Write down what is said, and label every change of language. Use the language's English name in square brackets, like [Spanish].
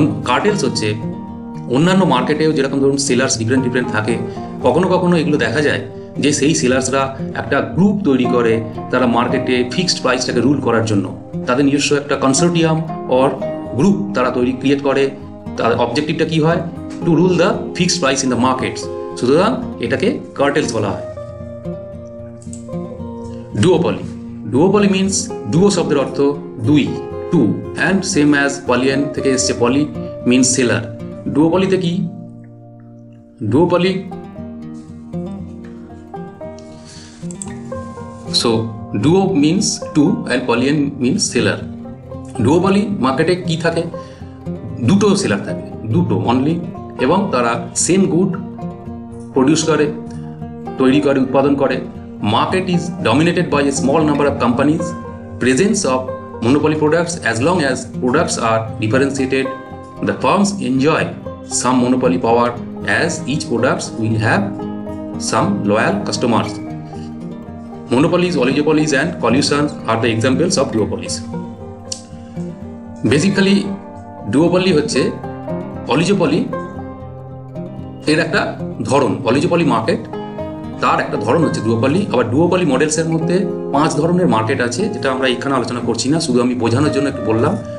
[Bangla] কার্টেলস হচ্ছে অন্যান্য মার্কেটেও যেরকম ধরুন সেলার্স ডিফারেন্ট থাকে, কখনো কখনো এগুলো দেখা যায় যে সেই সেলার্সরা একটা গ্রুপ তৈরি করে তারা মার্কেটে ফিক্সড প্রাইসটাকে রুল করার জন্য, তাদের নিজস্ব একটা কনসোর্টিয়াম অর গ্রুপ তারা তৈরি ক্রিয়েট করে। তাদের অবজেক্টিভটা কি হয়? [English] to rule the fixed price in the markets, [Bangla] সুতরাং এটাকে কার্টেলস বলা হয়। [English] Duopoly. Duopoly means duo [Bangla] শব্দের অর্থ দুই, [English] two, and same as polyan [Bangla] থেকে এসছে [English] poly means seller. Duopoly তে কি? Duopoly. So duo means two and polyan means seller. [Bangla] Duopoly মার্কেটে কি থাকে? দুটো সেলার থাকে, দুটো only, এবং তারা [English] same good produce [Bangla] করে, তৈরি করে, উৎপাদন করে. [English] Market is dominated by a small number of companies. Presence of monopoly products, as long as products are differentiated, the firms enjoy some monopoly power, as each product will have some loyal customers. Monopolies, oligopolies and collusions are the examples of duopolies. [Bangla] Basically, duopoly hoche oligopoly er ekta dhoron, oligopoly market তার একটা ধরন হচ্ছে ডুওপলি. আবার ডুওপলি models এর মধ্যে পাঁচ ধরনের market আছে, যেটা আমরা এখানে আলোচনা করছি না, শুধু আমি বোঝানোর জন্য একটু বললাম.